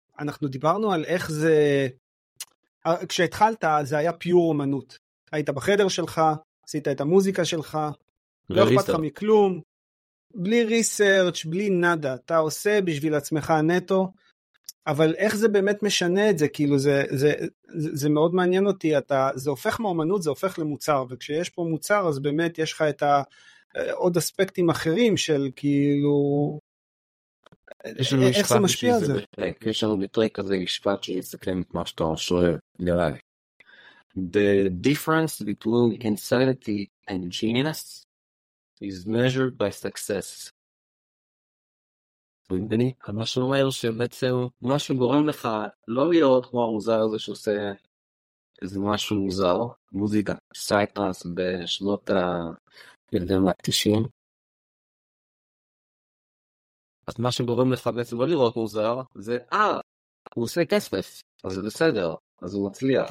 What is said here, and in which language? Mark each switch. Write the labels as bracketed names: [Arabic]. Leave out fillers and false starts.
[Hebrew] אנחנו דיברנו על איך זה, כשהתחלת זה היה פיור אומנות, היית בחדר שלך, עשית את המוזיקה שלך, לא אכפת לך מכלום, בלי ריסרצ', בלי נדה, אתה עושה בשביל עצמך נטו, אבל איך זה באמת משנה את זה, כאילו זה מאוד מעניין אותי, זה הופך מאומנות, זה הופך למוצר, וכשיש פה מוצר אז באמת יש לך את עוד אספקטים אחרים של כאילו, איך זה משפיע על זה? יש לנו מטרק כזה משפט שיסכם את מה שאתה שואל, נראה. [English] The difference between insanity and genius is measured by success. [Hebrew] ואני, מה שאני אומר שבעצם מה שגורם לך לא להיות כמו המוזר הזה שעושה איזה משהו מוזר, מוזיקה, סייטרס בשנות הילדים ה-90, אז מה שגורם לך בעצם לא לראות מוזר, זה, הוא עושה כסף, אז זה בסדר, אז הוא מצליח.